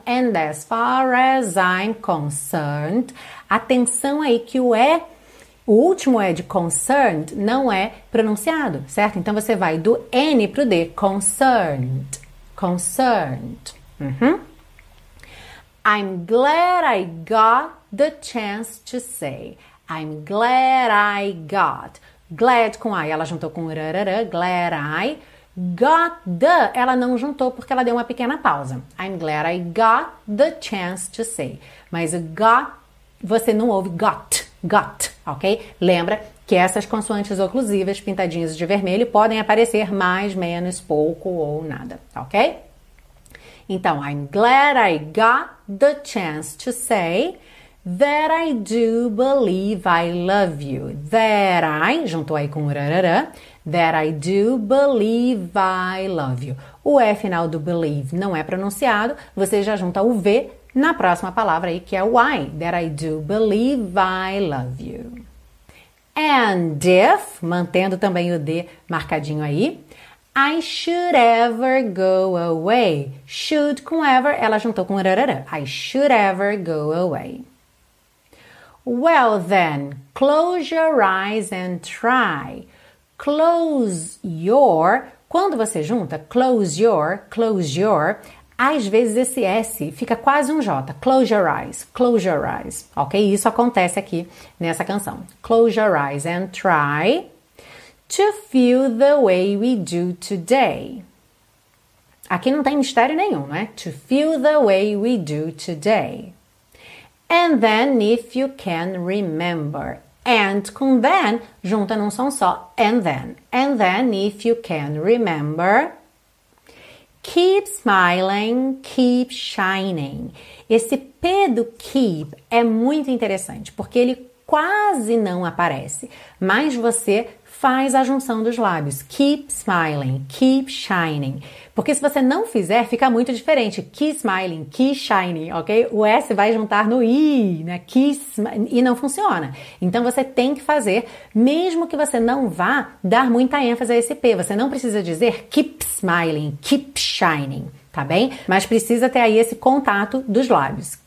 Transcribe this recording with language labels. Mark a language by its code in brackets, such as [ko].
[en] And as far as I'm concerned. [pt] Atenção aí que o E... O último é de concerned, não é pronunciado, certo? Então, você vai do N para o D. [en] Concerned. Concerned. Uhum. I'm glad I got the chance to say. I'm glad I got. Glad com I. [pt] Ela juntou com rarara. [en] Glad I got the. [pt] Ela não juntou porque ela deu uma pequena pausa. [en] I'm glad I got the chance to say. [pt] Mas o got, você não ouve got. Got, ok? Lembra que essas consoantes oclusivas pintadinhas de vermelho podem aparecer mais, menos, pouco ou nada, ok? Então, [en] I'm glad I got the chance to say that I do believe I love you. That I, [pt] juntou aí com o rarara, [en] that I do believe I love you. [pt] O E final do believe não é pronunciado, você já junta o V na próxima palavra aí, que é why, [en] that I do believe I love you. And if, [pt] mantendo também o D marcadinho aí, [en] I should ever go away. [pt] Should com ever, ela juntou com rarara. [en] I should ever go away. Well then, close your eyes and try. [pt] Close your, quando você junta, [en] close your, [pt] às vezes esse S fica quase um J. [en] Close your eyes, [pt] ok? Isso acontece aqui nessa canção. [en] Close your eyes and try to feel the way we do today. [pt] Aqui não tem mistério nenhum, né? [en] To feel the way we do today. And then if you can remember. And com then, [pt] junta num som só. [en] And then. And then if you can remember. Keep smiling, keep shining. [pt] Esse P do keep é muito interessante, porque ele quase não aparece, mas você faz a junção dos lábios. [en] Keep smiling, keep shining. [pt] Porque se você não fizer, fica muito diferente. [en] Keep smiling, keep shining, ok? [pt] O S vai juntar no I, né? E não funciona. Então, você tem que fazer, mesmo que você não vá dar muita ênfase a esse P. Você não precisa dizer [en] keep smiling, keep shining, [pt] tá bem? Mas precisa ter aí esse contato dos lábios.